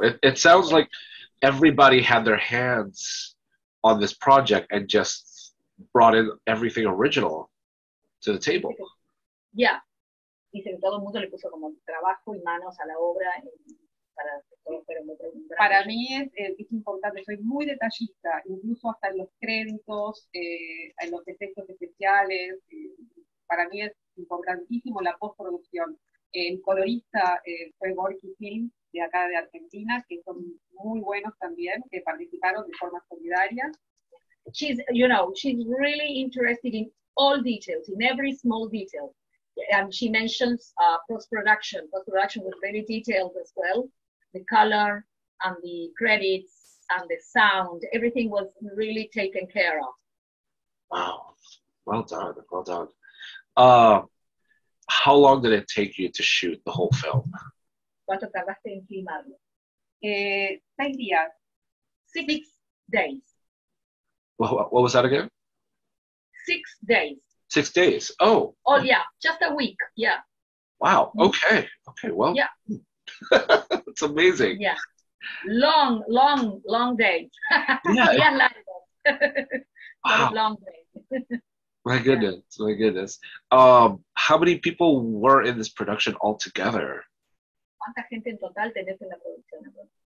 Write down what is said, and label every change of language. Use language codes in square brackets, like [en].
[en] It sounds like everybody had their hands on this project and just brought in everything original to the table. Yeah. [es] Dice que todo el mundo le puso como trabajo y manos a la obra para... Para mí es importante, soy muy detallista, incluso hasta en los créditos, en los efectos especiales. Para mí es importantísimo la postproducción. El colorista fue Gorky Film, de acá de Argentina, que son muy buenos también, que participaron de forma solidaria. [en] She's, you know, she's really interested in all details, in every small detail. And she mentions post-production. Post-production was very detailed as well. The color and the credits and the sound, everything was really taken care of. Wow. Well done, well done. How long did it take you to shoot the whole film? [es] ¿Cuánto tardaste en filmarlo? 6 días. [en] 6 days. What was that again? 6 days. 6 days. Oh. Oh yeah, just a week. Yeah. Wow. Okay. Okay. Well. Yeah. It's amazing. Yeah. Long days. Yeah. Yeah. Long days. My goodness. How many people were in this production altogether? [es] ¿Cuánta gente en total tenés en la producción?